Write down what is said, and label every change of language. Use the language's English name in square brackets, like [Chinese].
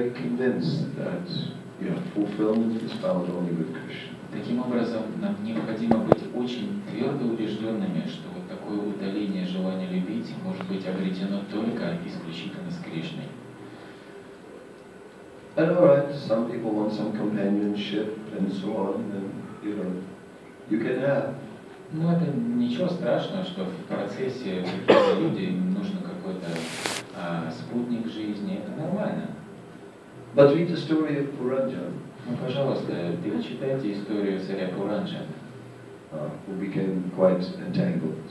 [English] very convinced that you have fulfillment is found only with Krishna. [Russian] Таким образом, нам необходимо быть очень твердо убежденными, что вот такое удаление желания любить может быть обретено только исключительно с Кришной. [English] And all right, some people want some companionship and so on, and you know, you can have. [Russian] Ну, это ничего страшного, что в процессе каких-то людей нужно какой-то спутник жизни. Это нормально. [English] But read the story of Puranjan. [Russian] Ну, пожалуйста, вы читайте историю царя Пуранджа, [English] who became quite entangled.